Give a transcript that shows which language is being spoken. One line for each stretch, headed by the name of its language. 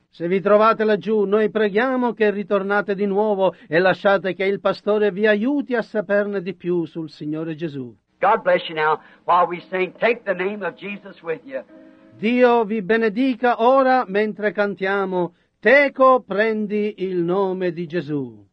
Italian: Se vi trovate laggiù, noi preghiamo che ritornate di nuovo e lasciate che il pastore vi aiuti a saperne di più sul Signore Gesù.
English: God bless you now while we sing, take the name of Jesus with you.
Italian: Dio vi benedica ora mentre cantiamo, teco prendi il nome di Gesù.